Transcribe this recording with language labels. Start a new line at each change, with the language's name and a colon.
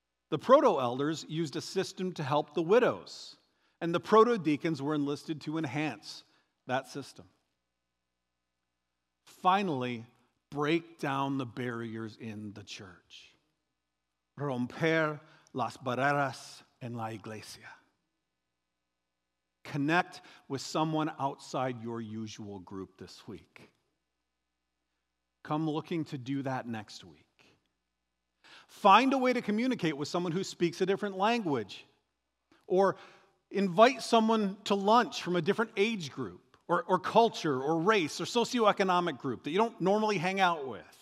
English: The proto-elders used a system to help the widows, and the proto-deacons were enlisted to enhance that system. Finally, break down the barriers in the church.
Spanish: Romper las barreras en la iglesia.
English: Connect with someone outside your usual group this week. Come looking to do that next week. Find a way to communicate with someone who speaks a different language. Or invite someone to lunch from a different age group, or culture, or race, or socioeconomic group that you don't normally hang out with.